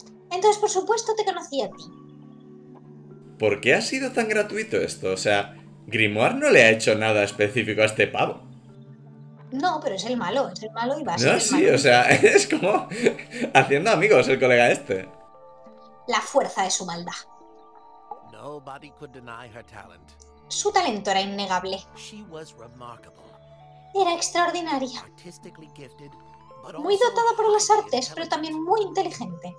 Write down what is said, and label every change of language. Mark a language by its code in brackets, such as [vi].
[es] Entonces, por supuesto, te conocí a ti. ¿Por qué ha sido tan gratuito esto? O sea, Grimoire no le ha hecho nada específico a este pavo. No, pero es el malo y va a ser no, el sí, malo. O sea, es como haciendo amigos el colega este. La fuerza de su maldad. [en] Nobody could deny her talent. [es] Su talento era innegable. [en] She was remarkable. [es] Era extraordinaria. [en] Artistically gifted, but also [es] muy dotada por las artes, pero también muy inteligente.